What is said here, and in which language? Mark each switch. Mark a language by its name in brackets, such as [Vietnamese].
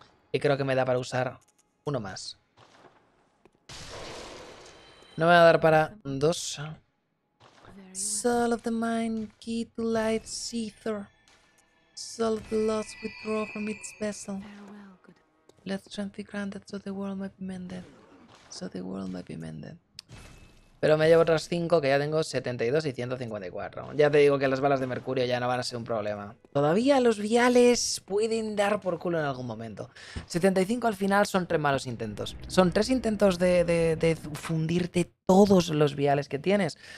[Spanish] Y creo que me da para usar uno más. No me va a dar para 2. [English] Soul of the Mind, key to life, Seether. Soul of the Lost, withdraw from its vessel. Let strength be granted so the world might be mended. So the world might be mended. [Spanish] Pero me llevo otras 5, que ya tengo 72 y 154. Ya te digo que las balas de mercurio ya no van a ser un problema. Todavía los viales pueden dar por culo en algún momento. 75 al final son 3 malos intentos. Son 3 intentos de fundirte todos los viales que tienes.